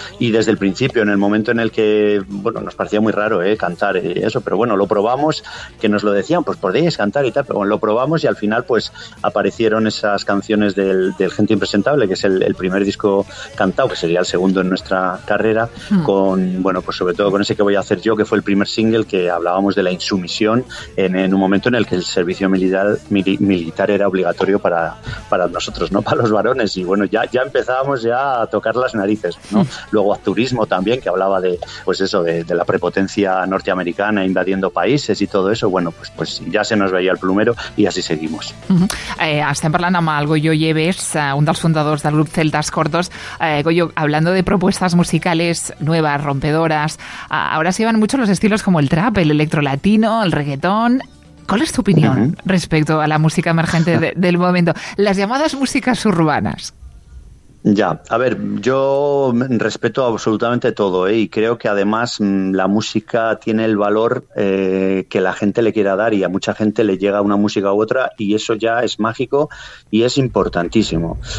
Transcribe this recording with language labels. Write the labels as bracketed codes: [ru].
[es] Y desde el principio, en el momento en el que, bueno, nos parecía muy raro cantar eso, pero bueno, lo probamos, que nos lo decían, pues podéis cantar y tal, pero bueno, lo probamos y al final pues aparecieron esas canciones del Gente Impresentable, que es el primer disco cantado, que sería el segundo en nuestra carrera, con, bueno, pues sobre todo con ese que voy a hacer yo, que fue el primer single, que hablábamos de la insumisión en un momento en el que el servicio militar era obligatorio para nosotros, ¿no? Para los varones. Y bueno, ya empezábamos ya a tocar las narices, ¿no? Luego Turismo también, que hablaba de, pues eso, de la prepotencia norteamericana invadiendo países y todo eso. Bueno, pues ya se nos veía el plumero y así seguimos. [ca] Estem parlant amb el Goyo Lleves, un dels fundadors del grup Celtes Cortos. [es] Goyo, hablando de propuestas musicales nuevas, rompedoras. Ahora se llevan mucho los estilos como el trap, el electrolatino, el reggaetón. ¿Cuál es tu opinión respecto a la música emergente del momento? Las llamadas músicas urbanas. Ya, a ver, yo respeto absolutamente todo, y creo que además la música tiene el valor que la gente le quiera dar, y a mucha gente le llega una música u otra y eso ya es mágico y es importantísimo.